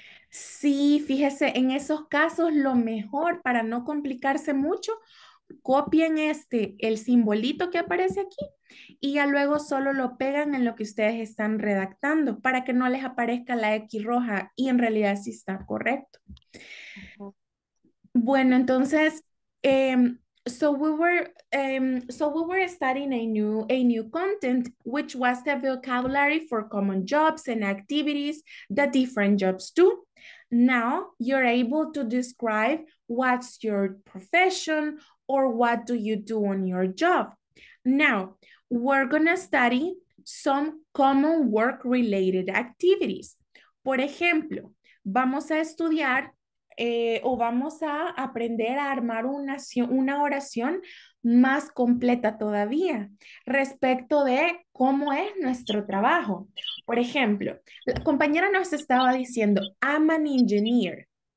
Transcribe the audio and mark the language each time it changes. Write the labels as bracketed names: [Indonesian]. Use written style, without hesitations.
[Spanish] Sí, fíjese, en esos casos lo mejor para no complicarse mucho, copien este, el simbolito que aparece aquí y ya luego solo lo pegan en lo que ustedes están redactando para que no les aparezca la X roja y en realidad sí está correcto. Bueno, entonces... [English] So we were studying a new content, which was the vocabulary for common jobs and activities that different jobs do. Now you're able to describe what's your profession or what do you do on your job. Now we're gonna study some common work-related activities. [Spanish] Por ejemplo, vamos a estudiar o vamos a aprender a armar una oración más completa todavía respecto de cómo es nuestro trabajo. Por ejemplo, la compañera nos estaba diciendo, [English] I'm an engineer.